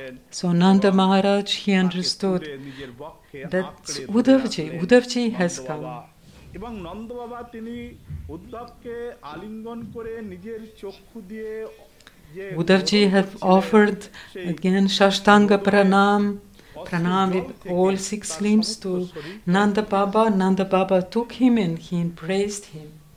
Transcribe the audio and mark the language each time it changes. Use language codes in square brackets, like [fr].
[en] So Nanda Maharaj, he understood that Udavji, Udavji has come. [bn] এবং নন্দ বাবা তিনি উদ্ধবকে আলিঙ্গন করে নিজের চক্ষু দিয়ে [en] Udavji have offered again Shashtanga Pranam, Pranam with all six limbs to Nanda Baba. Nanda Baba took him and he embraced him.